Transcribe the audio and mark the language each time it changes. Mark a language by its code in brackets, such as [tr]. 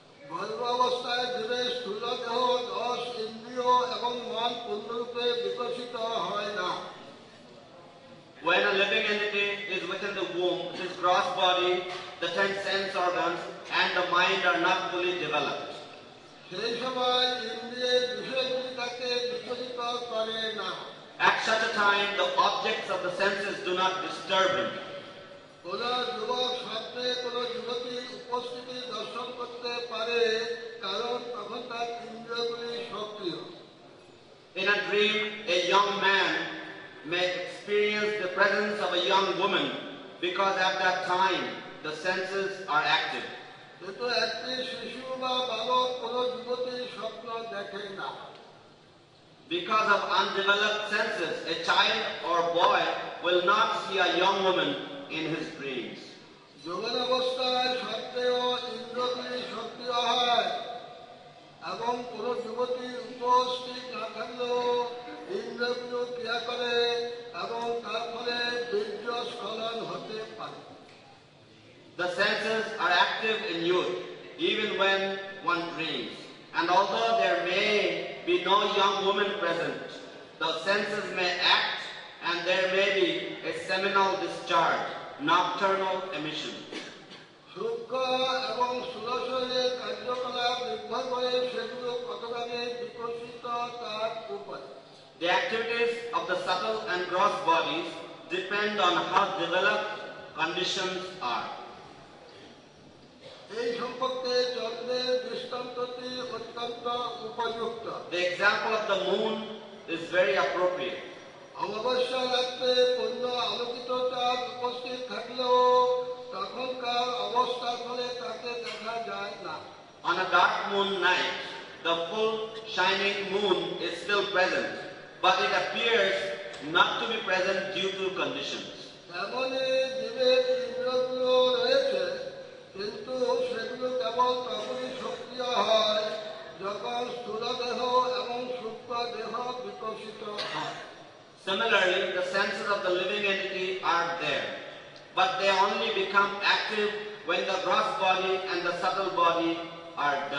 [bn] গর্ভাবস্থায় জুড়ে স্থূলদেহ দশ ইন্দ্রিয় এবং মন পূর্ণরূপে বিকশিত হয় না। [en] When a living entity is within the womb, his gross body, the 10 sense organs and the mind are not fully developed. [bn] সেই সময় ইন্দ্রিয়ের বিষয়গুলি তাকে বিকশিত করে না। [en] At such a time, the objects of the senses do not disturb him. [bn] কোন যুবক সাথে কোন যুবতী উপস্থিতি দর্শন করতে পারে, কারণ তখন তার ইন্দ্রিয়গুলি সক্রিয়। [en] In a dream, a young man may experience the presence of a young woman because at that time the senses are active. [bn] কিন্তু একটি শিশু বা বালক কোন যুবতী স্বপ্ন দেখে না। [en] Because of undeveloped senses, a child or boy will not see a young woman in his dreams. [bn] যৌবন অবস্থায় সত্ত্বেও ইন্দ্রিয়গুলি সক্রিয় হয় এবং কোন যুবতীর উপস্থিত না থাকলেও ইন্দ্রিয়গুলি ক্রিয়া করে এবং তার ফলে বীর্য স্খলন হতে পারে। [en] The senses are active in youth, even when one dreams. And although there may be no young woman present, the senses may act and there may be a seminal discharge, nocturnal emission. [bn] সূক্ষ্ম এবং স্থূলশরীরের কার্যকলাপ নির্ভর করে সেগুলো কতভাবে বিকশিত তার উপর। [en] The activities of the subtle and gross bodies depend on how developed conditions are. [bn] এই সম্পর্কে চন্দ্রের দৃষ্টান্তটি অত্যন্ত উপযুক্ত। [en] The example of the moon is very appropriate. [bn] অমাবস্যা রাত্রে পূর্ণ আলোকিত চাঁদ উপস্থিত থাকলেও তখনকার অবস্থার ফলে তাকে দেখা যায় না। [en] On a dark moon night, the full shining moon is still present, but it appears not to be present due to conditions. [bn] এমনই জীবের ইন্দ্রিয়গুলো রয়েছে, কিন্তু সেগুলো কেবল তখনই সক্রিয় হয় যখন স্থূলদেহ এবং সূক্ষ্মদেহ বিকশিত হয়। [en] Similarly, the senses of the living entity are there, but they only become active when the gross body and the subtle body are